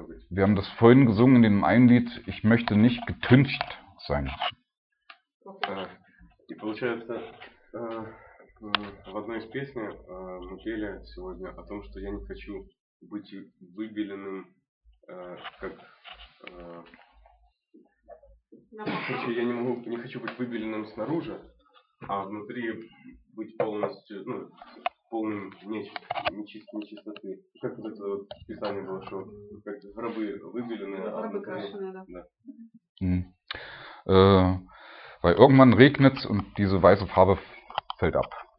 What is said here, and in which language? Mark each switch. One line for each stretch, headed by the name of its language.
German: Wir haben das vorhin gesungen in dem einen Lied, ich möchte nicht getüncht sein.
Russian: И получается, в одной из песен мы пели сегодня о том, что я не хочу быть выбеленным, как... Короче, я не хочу быть выбеленным снаружи, а внутри быть полностью, ну, полным нечистоты. Как вот это вот писание было, что как рабы выбеленные, а рабы крашеные, да.
German: Weil irgendwann regnet es und diese weiße Farbe fällt ab.